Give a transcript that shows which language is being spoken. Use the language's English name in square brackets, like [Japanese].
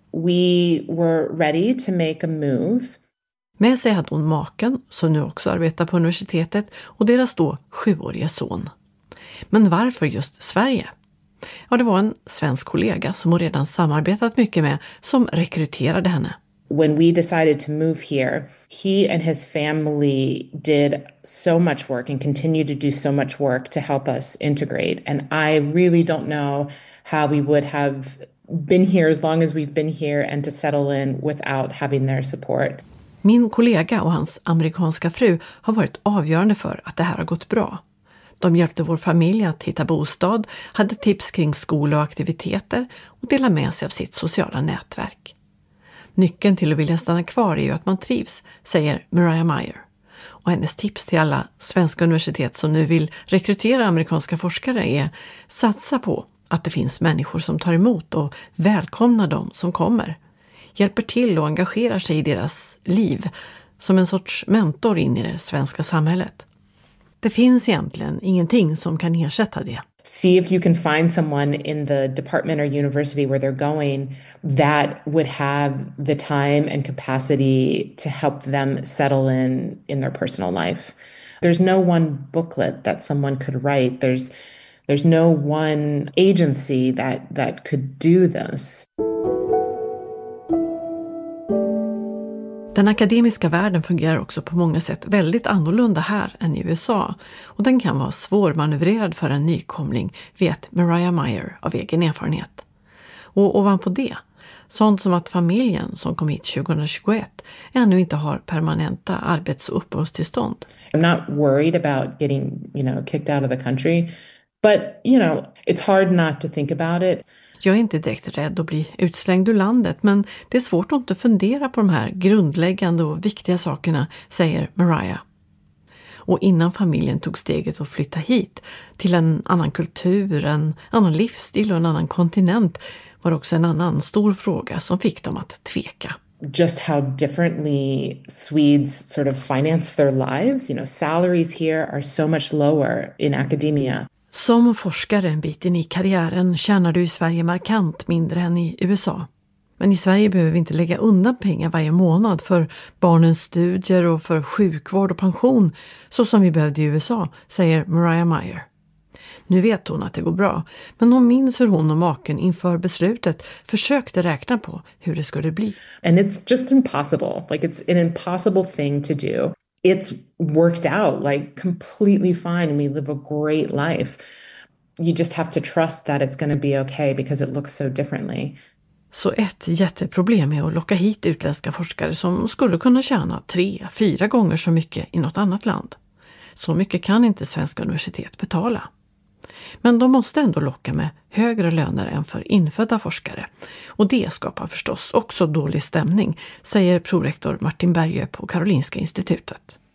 [English] We were ready to make a move. [Swedish] Med sig hade hon maken, som nu också arbetar på universitetet, och deras då 7-årige son. Men varför just Sverige? Ja, det var en svensk kollega som hon redan samarbetat mycket med som rekryterade henne. [English] When we decided to move here, he and his family did so much work and continue to do so much work to help us integrate. And I really don't know how we would have been here as long as we've been here and to settle in without having their support. [Swedish] Min kollega och hans amerikanska fru har varit avgörande för att det här har gått bra. De hjälpte vår familj att hitta bostad, hade tips kring skola och aktiviteter och delade med sig av sitt sociala nätverk. Nyckeln till att vilja stanna kvar är ju att man trivs, säger Mariah Meyer. Och hennes tips till alla svenska universitet som nu vill rekrytera amerikanska forskare är: satsa på att det finns människor som tar emot och välkomnar dem som kommer. Hjälper till och engagerar sig i deras liv som en sorts mentor in i det svenska samhället. Det finns egentligen ingenting som kan ersätta det. [English] See if you can find someone in the department or university where they're going that would have the time and capacity to help them settle in their personal life. There's no one booklet that someone could write. There's no one agency that could do this. [Swedish] Den akademiska världen fungerar också på många sätt väldigt annorlunda här än i USA. Och den kan vara svårmanövrerad för en nykomling, vet Mariah Meyer av egen erfarenhet. Och ovanpå det, sånt som att familjen som kom hit 2021 ännu inte har permanenta arbets- och uppehållstillstånd. [English] I'm not worried about getting, you know, kicked out of the country, but you know, it's hard not to think about it. [Swedish] Jag är inte direkt rädd att bli utslängd ur landet, men det är svårt att inte fundera på de här grundläggande och viktiga sakerna, säger Mariah. Och innan familjen tog steget att flytta hit till en annan kultur, en annan livsstil och en annan kontinent var också en annan stor fråga som fick dem att tveka. [English] Just how differently Swedes sort of finance their lives, you know, salaries here are so much lower in academia. [Swedish] Som forskare en bit in i karriären tjänar du i Sverige markant mindre än i USA. Men i Sverige behöver vi inte lägga undan pengar varje månad för barnens studier och för sjukvård och pension, så som vi behövde i USA, säger Mariah Meyer. Nu vet hon att det går bra, men hon minns hur hon och maken inför beslutet försökte räkna på hur det skulle bli. [English] And it's just impossible. Like it's an impossible thing to do. It's worked out like completely fine. We live a great life. You just have to trust that it's going to be okay because it looks so differently. [Swedish] Så ett jätteproblem är att locka hit utländska forskare som skulle kunna tjäna 3-4 gånger så mycket i något annat land. Så mycket kan inte svenska universitet betala. Men de måste ändå locka med högre löner än för infödda forskare. Och det skapar förstås också dålig stämning, säger prorektor Martin Berge på Karolinska institutet.